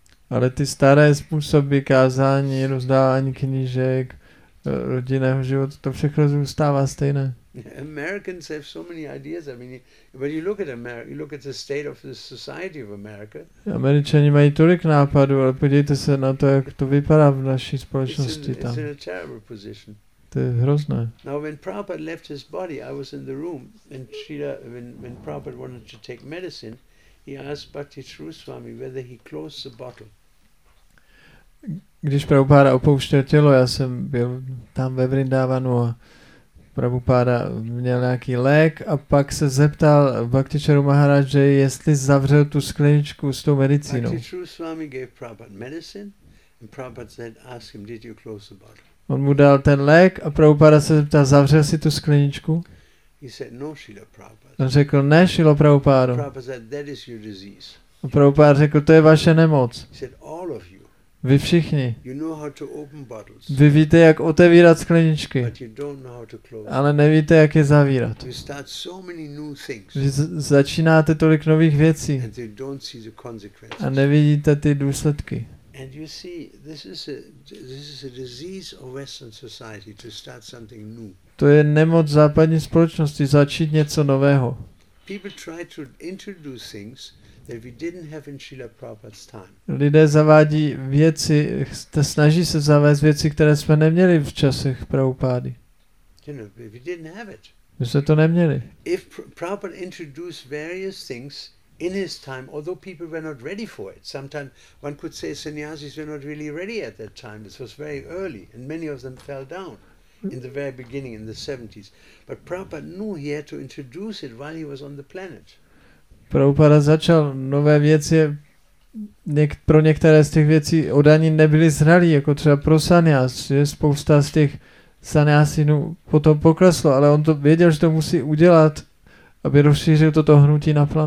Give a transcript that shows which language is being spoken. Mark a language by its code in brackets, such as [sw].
[cs] Ale ty staré způsoby kázání, rozdávání knížek, rodinného života, to všechno zůstává stejné. [en] Americans have so many ideas. I mean, when you look at America, you look at the state of the society of America. [cs] Američani mají tolik nápadů, ale podívejte se na to, jak to vypadá v naší společnosti tam. [en] It's in a terrible position. [cs] To je hrozné. [en] Now, when Prabhupada left his body, I was in the room, and when Prabhupada wanted to take medicine, he asked Bhakti Shruswami whether he closed the bottle. [cs] Když Prabhupada opouštěl tělo, já jsem byl tam ve Vrindavanu a Prabhupada měl nějaký lék a pak se zeptal Bhakti Charu Maharaje, jestli zavřel tu skleničku s tou medicínou. [en] Bhakti Charu Swami gave Prabhupada medicine and Prabhupada said, ask him, did you close the bottle? [cs] On mu dal ten lék a Prabhupada se zeptal, zavřel si tu skleničku? [en] He said, no, Srila Prabhupada. [cs] On řekl, ne, Srila Prabhupada. [en] Prabhupada said, that is your disease. [cs] A Prabhupada řekl, to je vaše nemoc. [en] He said, all of you. [cs] Vy všichni. [en] You know how to open bottles. [cs] Vy víte, jak otevírat skleničky. [en] But you don't know how to close. [cs] Ale nevíte, jak je zavírat. [en] You start so many new things. [cs] Vy začínáte tolik nových věcí. [en] And you don't see the consequences. [cs] A nevidíte ty důsledky. [en] And you see, this is a disease of Western society to start something new. [cs] To je nemoc západní společnosti začít něco nového. [en] People try to introduce things that we didn't have in Srila Prabhupada's time. [cs] Lidé zavádí věci, snaží se zavést věci, které jsme neměli v časech Prabhupády. [en] You know, we didn't have it. [cs] My jsme to neměli. [en] If Prabhupada introduced various things in his time, although people were not ready for it, sometimes one could say sannyasis were not really ready at that time. This was very early, and many of them fell down in the very beginning, in the 70s. But Prabhupada knew he had to introduce it while he was on the planet. [cs] Prabhupada začal nové věci, pro některé z těch věcí údajně nebyly zralí, jako třeba pro sanjas, že spousta z těch sanjasinů potom pokleslo, ale on to věděl, že to musí udělat, aby rozšířil toto hnutí na